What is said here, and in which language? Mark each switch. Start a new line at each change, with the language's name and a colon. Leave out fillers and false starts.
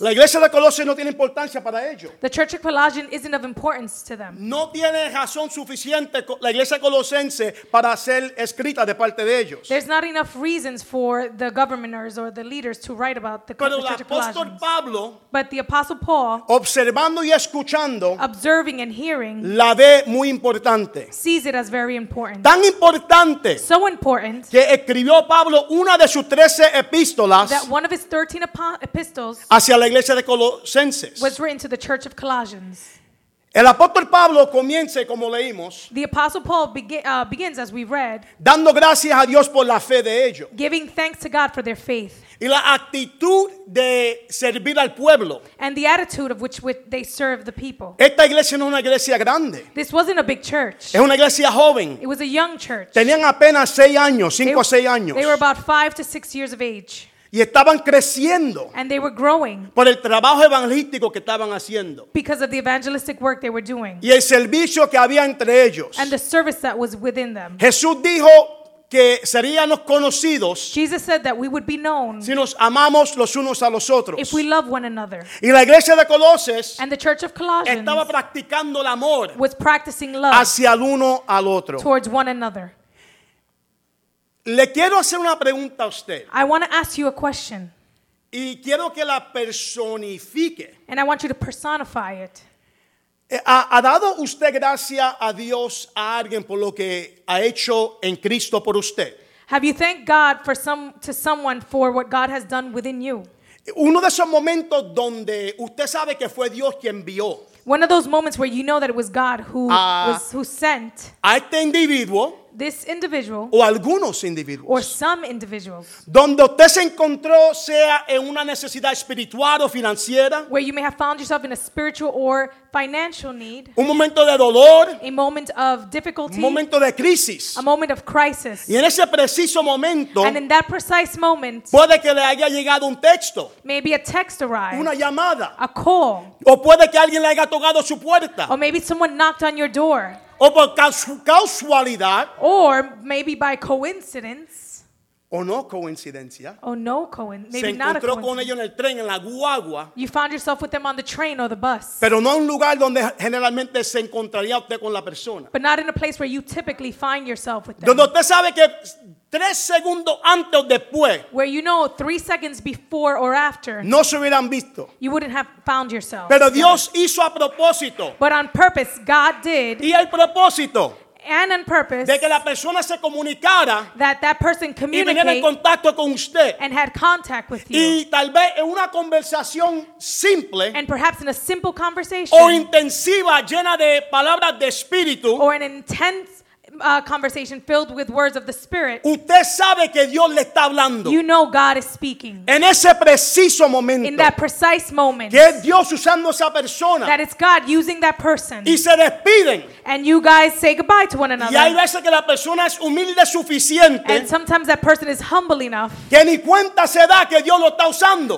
Spanish: La iglesia de Colosas no tiene importancia para ellos.
English: The church of Colossians isn't of importance to them.
Spanish: No tiene razón suficiente la iglesia colosense para ser escrita de parte de ellos.
English: There's not enough reasons for the governors or the leaders to write about the church of Colossians.
Spanish: Pero el apóstol Pablo,
English: but the apostle Paul,
Spanish: observando y escuchando,
English: observing and hearing,
Spanish: la ve muy importante.
English: Sees it as very important.
Spanish: Tan importante.
English: So important.
Spanish: Que escribió Pablo una de sus 13 epístolas,
English: that one of his 13 epistles,
Spanish: hacia la iglesia de Colosenses,
English: was written to the church of Colossians.
Spanish: El apóstol Pablo comienza, como leímos,
English: the apostle Paul begins, as we read,
Spanish: dando gracias a Dios por la fe de ellos,
English: giving thanks to God for their faith,
Spanish: y la actitud de servir al pueblo,
English: and the attitude of which they serve the people.
Spanish: Esta iglesia no es una iglesia grande.
English: This wasn't a big church.
Spanish: Es una iglesia joven.
English: It was a young church.
Spanish: Tenían apenas 5 o 6 años.
English: They were about 5 to 6 years of age.
Spanish: Y estaban creciendo,
English: and they were growing,
Spanish: por el trabajo evangelístico que estaban haciendo,
English: because of the evangelistic work they were doing,
Spanish: y el servicio que había entre ellos,
English: and the service that was within them.
Spanish: Jesús dijo que seríamos conocidos,
English: Jesus said that we would be known,
Spanish: si nos amamos los unos a los otros,
English: if we love one another.
Spanish: Y la iglesia de Colosas,
English: and the church of Colossians,
Spanish: estaba practicando el amor,
English: was practicing love,
Spanish: hacia el uno al otro,
English: towards one another.
Spanish: Le quiero hacer una pregunta a usted.
English: I want to ask you a question.
Spanish: Y quiero que la personifique.
English: And I want you to personify it.
Spanish: ¿Ha dado usted gracias a Dios, a alguien, por lo que ha hecho en Cristo por usted?
English: Have you thanked God to someone for what God has done within you?
Spanish: Uno de esos momentos donde usted sabe que fue Dios quien envió.
English: One of those moments where you know that it was God who sent.
Spanish: A este individuo.
English: This individual,
Spanish: o algunos individuos,
English: or some individuals,
Spanish: donde usted se encontró, sea en una necesidad espiritual o financiera,
English: where you may have found yourself in a spiritual or financial need,
Spanish: un momento de dolor,
English: a moment of difficulty,
Spanish: un momento de crisis,
English: a moment of crisis,
Spanish: y en ese preciso momento,
English: and in that precise moment,
Spanish: puede que le haya llegado un texto,
English: maybe a text arrived,
Spanish: una llamada,
English: a call,
Spanish: o puede que alguien le haya tocado su puerta,
English: or maybe someone knocked on your door.
Spanish: O por casualidad,
English: or maybe by coincidence,
Spanish: o no coincidencia,
English: or no maybe
Spanish: se encontró
English: not a
Spanish: con ellos en el tren, en la guagua.
English: You found yourself with them on the train or the bus,
Spanish: pero no en un lugar donde generalmente se encontraría usted con la persona,
English: but not in a place where you typically find yourself with them.
Spanish: Donde usted sabe que 3 segundos antes o después,
English: where you know 3 seconds before or after,
Spanish: no se hubieran visto,
English: you wouldn't have found yourself.
Spanish: Pero Dios hizo a propósito,
English: but on purpose God did,
Spanish: y el propósito,
English: and on purpose,
Spanish: de que la persona se comunicara,
English: that person communicate,
Spanish: y viniera en contacto con usted,
English: and had contact with you,
Spanish: y tal vez en una conversación simple,
English: and perhaps in a simple conversation,
Spanish: o intensiva, llena de palabras de espíritu,
English: or an intense conversation filled with words of the Spirit.
Spanish: Usted sabe que Dios le está hablando.
English: You know God is speaking.
Spanish: En ese preciso momento.
English: In that precise moment.
Spanish: Que es Dios usando esa persona.
English: That it's God using that person.
Spanish: Y se despiden.
English: And you guys say goodbye to one another.
Spanish: Y hay veces que la persona es humilde suficiente.
English: And sometimes that person is humble enough.
Spanish: Que ni cuenta se da que Dios lo está usando.